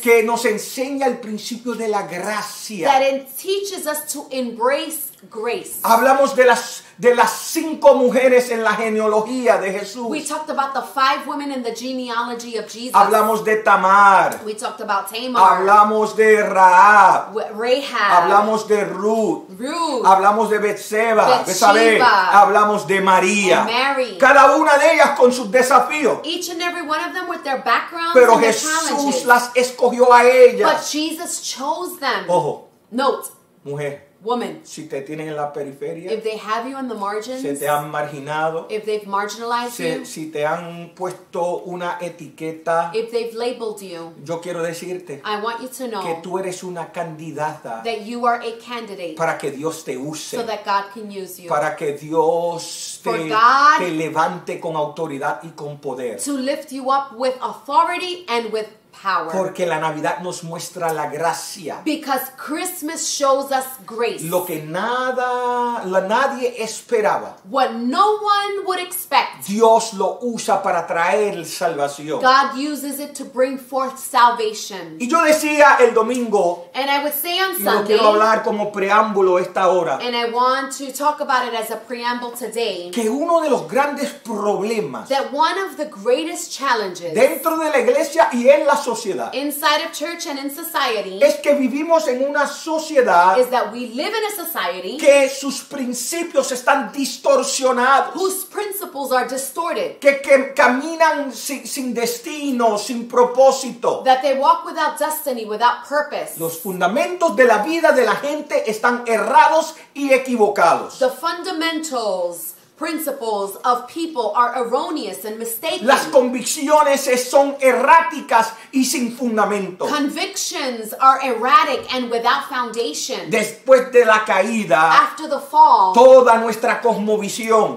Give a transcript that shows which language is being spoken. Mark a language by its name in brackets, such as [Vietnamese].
[Spanish] Que nos enseña el principio de la gracia. [English] That it teaches us to embrace grace. [Spanish] Hablamos de las cinco mujeres en la genealogía de Jesús. [English] We talked about the five women in the genealogy of Jesus. [Spanish] Hablamos de Tamar. [English] We talked about Tamar. [Spanish] Hablamos de Rahab. [English] Rahab. [Spanish] Hablamos de Ruth. [English] Ruth. [Spanish] Hablamos de Betseba. [English] Betsabé. [Spanish] Hablamos de María. [English] And Mary. [Spanish] Cada una de ellas con sus desafíos. [English] Each and every one of them with their backgrounds. [Spanish] Pero [English] and [Spanish] Jesús [English] their challenges. [Spanish] Las escogió a ellas. [English] But Jesus chose them. [Spanish] Ojo. [English] Note. [Spanish] mujer. [English] Woman, [Spanish] si te tienen en la periferia, [English] if they have you in the margins, [Spanish] si te han marginado, [English] if they've marginalized you, [Spanish] si te han puesto una etiqueta, [English] if they've labeled you, [Spanish] yo quiero decirte, [English] I want you to know, [Spanish] que tú eres una candidata, [English] that you are a candidate, [Spanish] para que Dios te use, [English] so that God can use you, [Spanish] para que Dios te levante con autoridad y con poder, [English] to lift you up with authority and with power. [Spanish] Porque la Navidad nos muestra la gracia. [English] Because Christmas shows us grace. [Spanish] Lo que nadie esperaba. [English] What no one would expect. [Spanish] Dios lo usa para traer salvación. [English] God uses it to bring forth salvation. [Spanish] Y yo decía el domingo. [English] And I would say on Sunday. [Spanish] Y lo quiero hablar como preámbulo esta hora. [English] And I want to talk about it as a preamble today. [Spanish] Que uno de los grandes problemas. [English] That one of the greatest challenges. [Spanish] Dentro de la iglesia y en la sociedad. [English] Inside of church and in society, [Spanish] es que vivimos en una sociedad, [English] is that we live in a society, [Spanish] que sus principios están distorsionados, [English] whose principles are distorted, [Spanish] que caminan sin destino, sin propósito, [English] that they walk without destiny, without purpose. [Spanish] Los fundamentos de la vida de la gente están errados y equivocados. [English] The fundamentals, principles of people are erroneous and mistaken. [Spanish] Las convicciones son erráticas y sin fundamento. [English] Convictions are erratic and without foundation. [Spanish] Después de la caída, [English] after the fall, [Spanish] toda nuestra cosmovisión,